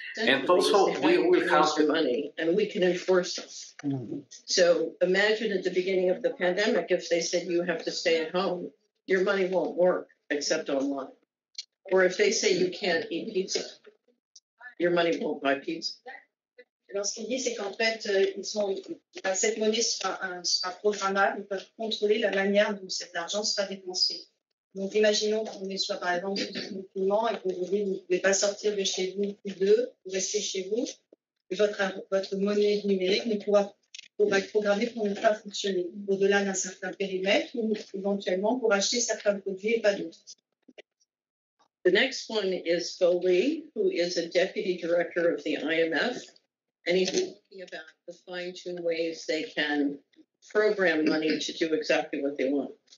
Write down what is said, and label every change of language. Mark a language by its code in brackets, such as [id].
[en] And also we will have the money and we can enforce them. Mm-hmm. So imagine at the beginning of the pandemic, if they said you have to stay at home, your money won't work except online. Or if they say you can't eat pizza, your money won't buy pizza. [fr] Alors, ce qu'il dit, c'est qu'en fait, cette monnaie sera programmable, ils peuvent contrôler la manière dont cet argent sera dépensé. Donc, imaginons qu'on soit, par exemple, en confinement et que vous ne pouvez pas sortir de chez vous plus d'eux, vous restez chez vous, et votre monnaie numérique ne pourra être programmée pour ne pas fonctionner au-delà d'un certain périmètre ou éventuellement pour acheter certains produits et pas d'autres. [en] The next one is Foley, who is a deputy director of the IMF. And he's talking about the fine-tuned ways they can program money to do exactly what they want.